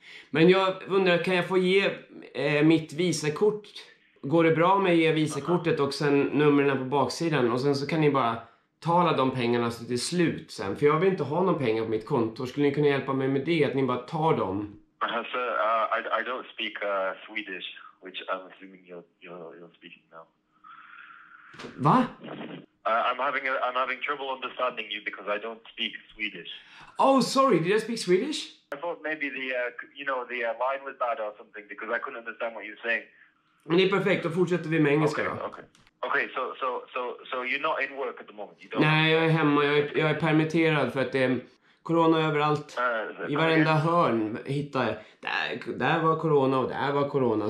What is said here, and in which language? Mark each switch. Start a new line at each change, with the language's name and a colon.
Swedish: Men jag undrar, kan jag få ge mitt visakort? Går det bra med att ge visakortet och sen numren på baksidan? Och sen så kan ni bara tala de pengarna så till slut sen. För jag vill inte ha någon pengar på mitt konto. Skulle ni kunna hjälpa mig med det? Att ni bara tar dem?
English: Sir, I don't speak Swedish, which I'm assuming you're speaking now.
Swedish: Va?
English: I'm having trouble understanding you because I don't speak Swedish. Oh, sorry. Did I speak Swedish? I thought maybe the line was bad or something because I couldn't understand what you're saying.
Swedish: Men det är perfekt. Då fortsätter vi med engelska.
English: Okay. So you're not in work at the moment. You don't.
Swedish: Nej, jag är hemma. Jag är permitterad för att det är corona överallt. I varenda hörn hittar jag. Där var corona och där var corona.